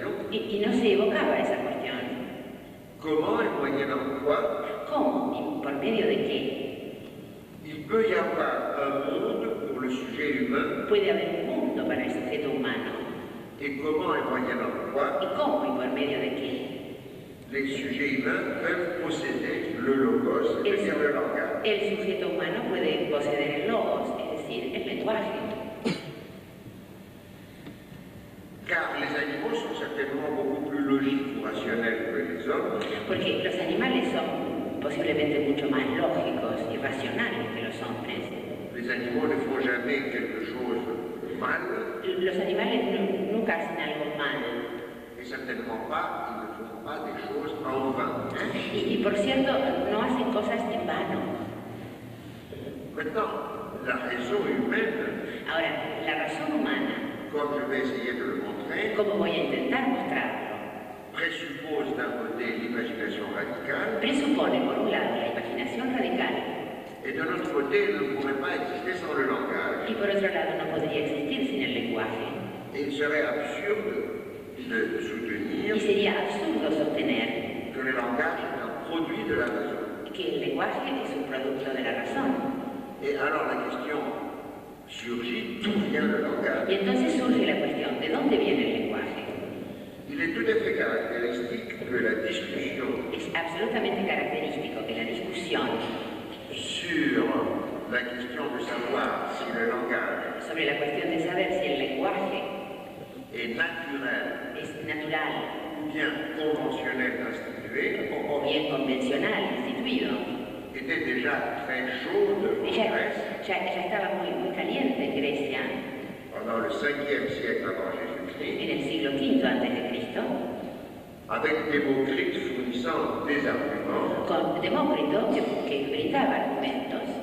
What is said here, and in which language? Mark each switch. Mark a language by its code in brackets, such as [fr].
[es] Y no se evocaba esa cuestión. ¿Cómo y por medio de qué? [fr] peut y avoir un monde pour le sujet humain. [es] Puede haber un mundo para el sujeto humano. [fr] Et comment y moyenne en quoi? [es] ¿Y cómo y por medio de qué? [fr] Les sujets humains peuvent posséder le logos, c'est-à-dire le langage. [es] El sujeto humano puede [fr] posséder [es] el logos, es decir, el lenguaje. [fr] Car les animaux sont certainement beaucoup plus logiques ou rationnels que les hommes. [es] Porque los animales son posiblemente mucho más lógicos y racionales que los hombres. [fr] Les animaux ne font jamais quelque chose mal. [es] Los animales nunca hacen algo mal. [fr] Et certainement pas, ils ne font pas des choses en vain. [es] Y por cierto, no hacen cosas en vano. [fr] Maintenant, la raison humaine. [es] Ahora, la razón humana. [fr] Comme je vais essayer de le montrer. [es] Como voy a intentar mostrarlo. [fr] Presuppose d'un côté l'imagination radicale. [es] Presupone por un lado la imaginación radical. [fr] Et de l'autre côté, ne pourrait pas exister sans le langage. [es] Y por otro lado, no podría existir sin el lenguaje. [fr] Et il serait absurde de soutenir. [es] Y sería absurdo sostener. [fr] Que le langage est un produit de la raison. [es] Que el lenguaje es un producto de la razón. [fr] Et alors la question surgit, d'où vient le langage? [es] Y entonces surge la cuestión, ¿de dónde viene el lenguaje? [fr] Il est tout à fait caractéristique que la discussion. [es] Es absolutamente característico que la discusión [fr] sur la question de savoir si le langage [es] sobre la cuestión de saber si el lenguaje [fr] est naturel, [es] es natural [fr] ou bien conventionnel institué, [es] o bien convencional instituido [fr] était déjà très chaude en Grèce. [es] Ya estaba muy caliente en Grecia. [fr] Pendant le 5e siècle avant Jésus-Christ. [es] En el siglo V antes de Cristo. [fr] Avec Démocrite fournissant des arguments. [es] Con Demócrito que brindaba argumentos.